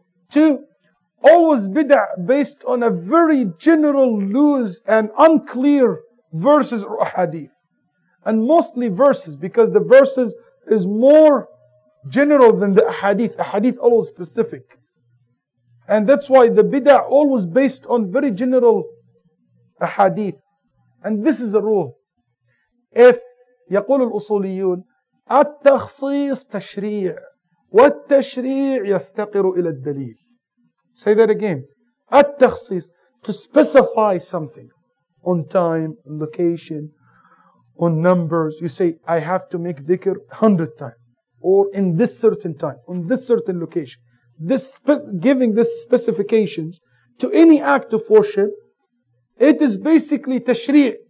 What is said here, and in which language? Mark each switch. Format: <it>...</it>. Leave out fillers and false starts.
<en>Two, always bid'ah based on a very general, loose and unclear verses or hadith. And mostly verses, because the verses is more general than the hadith. A hadith always specific. And that's why the bid'ah always based on very general hadith. And this is a rule.</en> <ar>If يقول الأصوليون التخصيص تشريع والتشريع يفتقر إلى الدليل.</ar> <en>Say that again. التخصيص, to specify something on time, on location, on numbers. You say, I have to make dhikr 100 times or in this certain time, on this certain location. This giving this specifications to any act of worship, it is basically tashri.</en>